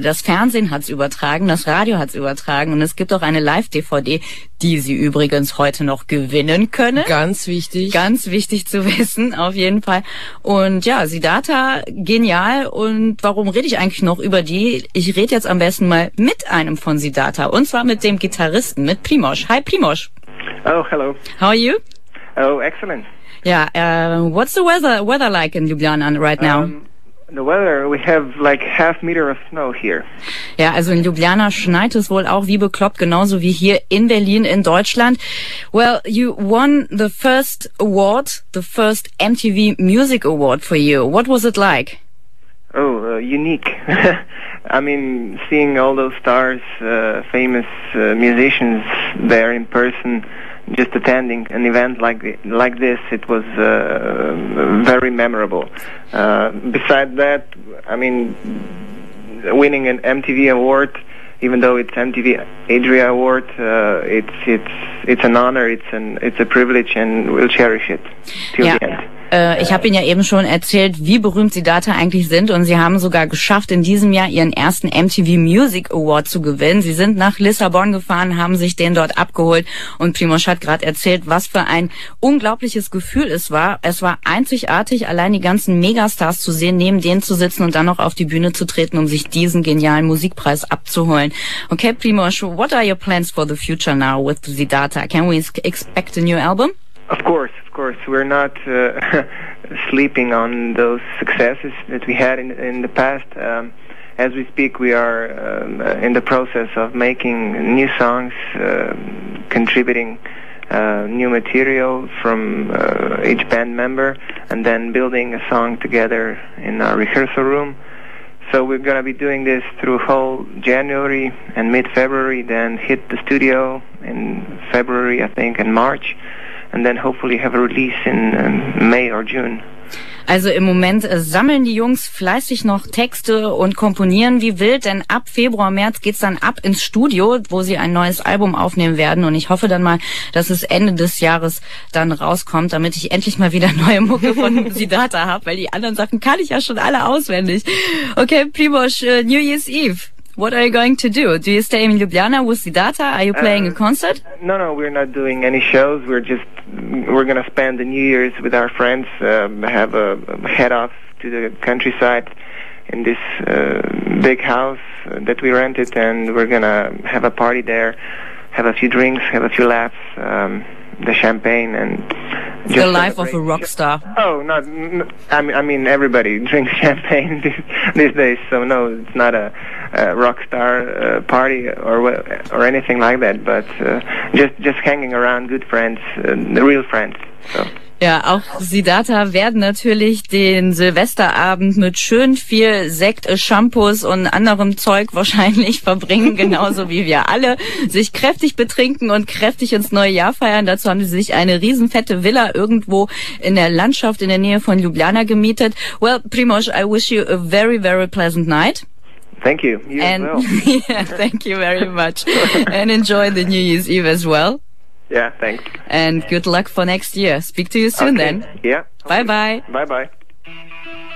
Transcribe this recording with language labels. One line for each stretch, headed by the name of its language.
German: Das Fernsehen hat's übertragen, das Radio hat's übertragen und es gibt auch eine Live-DVD, die Sie übrigens heute noch gewinnen können. Ganz wichtig. Ganz wichtig zu wissen, auf jeden Fall. Und ja, Siddhartha, genial. Und warum rede ich eigentlich noch über die? Ich rede jetzt am besten mal mit einem von Siddhartha. Und zwar mit dem Gitarristen, mit Primož. Hi, Primož.
English: Oh, hello. How are you? Oh, excellent. Yeah, what's the weather like in Ljubljana right now? The weather, we have like half meter of snow here.
German: Ja, also in Ljubljana schneit es wohl auch wie bekloppt, genauso wie hier in Berlin in Deutschland.
English: Well, you won the first award, the first MTV Music Award for you. What was it like? Oh, unique. I mean, seeing all those stars, famous musicians there in person, just attending an event like this, it was very memorable. Beside that, I mean, winning an MTV award, even though it's MTV Adria Award, it's an honor, it's a privilege, and we'll cherish it till the end.
German: Ich habe Ihnen ja eben schon erzählt, wie berühmt Siddhartha eigentlich sind und Sie haben sogar geschafft, in diesem Jahr Ihren ersten MTV Music Award zu gewinnen. Sie sind nach Lissabon gefahren, haben sich den dort abgeholt und Primož hat gerade erzählt, was für ein unglaubliches Gefühl es war. Es war einzigartig, allein die ganzen Megastars zu sehen, neben denen zu sitzen und dann noch auf die Bühne zu treten, um sich diesen genialen Musikpreis abzuholen.
English: Okay, Primož, what are your plans for the future now with Siddhartha? Can we expect a new album? Of course, we're not sleeping on those successes that we had in the past. As we speak, we are in the process of making new songs, contributing new material from each band member, and then building a song together in our rehearsal room. So we're going to be doing this through whole January and mid-February, then hit the studio in February, I think, and March. And then hopefully have a release in May or June.
German: Also im Moment sammeln die Jungs fleißig noch Texte und komponieren wie wild, denn ab Februar, März geht's dann ab ins Studio, wo sie ein neues Album aufnehmen werden. Und ich hoffe dann mal, dass es Ende des Jahres dann rauskommt, damit ich endlich mal wieder neue Mucke von Siddhartha habe, weil die anderen Sachen kann ich ja schon alle auswendig.
English: Okay, Primož, New Year's Eve. What are you going to do? Do you stay in Ljubljana with Siddhartha? Are you playing a concert? No, we're not doing any shows. We're going to spend the New Year's with our friends, have a head off to the countryside in this big house that we rented, and we're going to have a party there, have a few drinks, have a few laughs, the champagne, and just the life of a rock star. I mean everybody drinks champagne these days, so no, it's not a rock star party or anything like that, but just hanging around good friends, the real friends. So.
German: Ja, auch Siddhartha werden natürlich den Silvesterabend mit schön viel Sekt, Shampoos und anderem Zeug wahrscheinlich verbringen, genauso wie wir alle, sich kräftig betrinken und kräftig ins neue Jahr feiern. Dazu haben sie sich eine riesenfette Villa irgendwo in der Landschaft in der Nähe von Ljubljana gemietet.
English: Well, Primož, I wish you a very, very pleasant night. Thank you. You as well. Yeah, thank you very much. And enjoy the New Year's Eve as well. Yeah, thanks. And good luck for next year. Speak to you soon, okay. Then. Yeah. Bye-bye. Bye-bye.